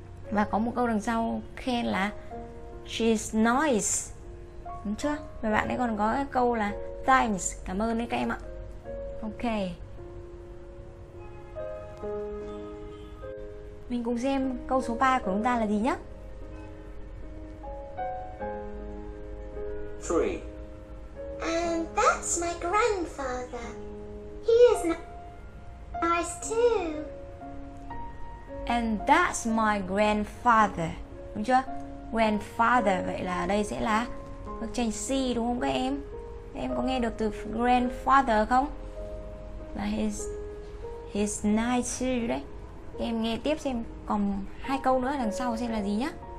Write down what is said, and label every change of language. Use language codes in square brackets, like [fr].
[vi] Và có một câu đằng sau khen là [en] she's nice, [vi] đúng chưa? Và bạn ấy còn có cái câu là thanks, cảm ơn đấy các em ạ. Ok, mình cùng xem câu số 3 của chúng ta là gì nhé. 3. [en] And that's my grandfather. He is nice too. And that's my grandfather. [vi] Đúng chưa? Grandfather, vậy là đây sẽ là bức tranh C đúng không các em? Em có nghe được từ grandfather không? Là [en] he's nice too [vi] đấy. Em nghe tiếp xem còn hai câu nữa đằng sau xem là gì nhá.